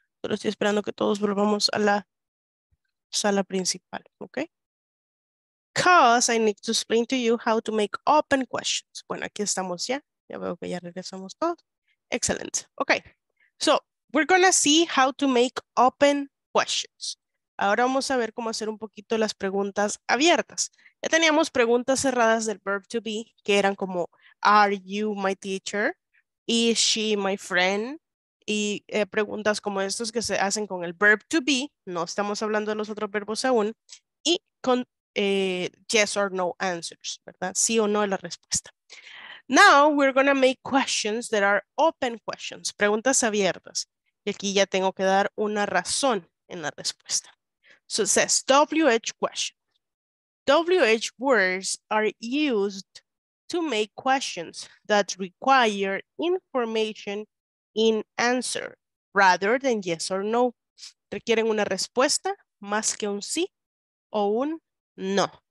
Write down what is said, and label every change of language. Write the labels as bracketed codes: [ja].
[es] Solo estoy esperando que todos volvamos a la sala principal, okay? [en] Because I need to explain to you how to make open questions. [es] Bueno, aquí estamos ya. Ya veo que ya regresamos todos. [en] Excellent. Okay, so we're gonna see how to make open questions. [es] Ahora vamos a ver cómo hacer un poquito las preguntas abiertas. Ya teníamos preguntas cerradas del verb to be, que eran como, [en] are you my teacher? Is she my friend? [es] Y preguntas como estas que se hacen con el verb to be, no estamos hablando de los otros verbos aún, y con [en] yes or no answers, [es] ¿verdad? Sí o no es la respuesta. [en] Now we're going to make questions that are open questions, [es] preguntas abiertas. Y aquí ya tengo que dar una razón en la respuesta. [en] So it says WH question. WH words are used to make questions that require information in answer rather than yes or no. [es] Requieren una respuesta más que un sí o un no.